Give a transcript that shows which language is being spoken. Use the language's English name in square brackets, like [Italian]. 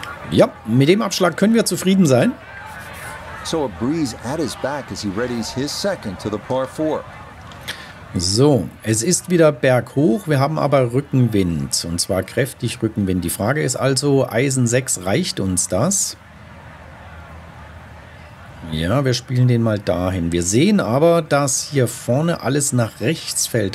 [German] Ja, mit dem Abschlag können wir zufrieden sein. [English] So, a breeze at his back as he readies his second to the par 4. [German] So, es ist wieder berghoch, wir haben aber Rückenwind. Und zwar kräftig Rückenwind. Die Frage ist also, Eisen 6, reicht uns das? Ja, wir spielen den mal dahin. Wir sehen aber, dass hier vorne alles nach rechts fällt.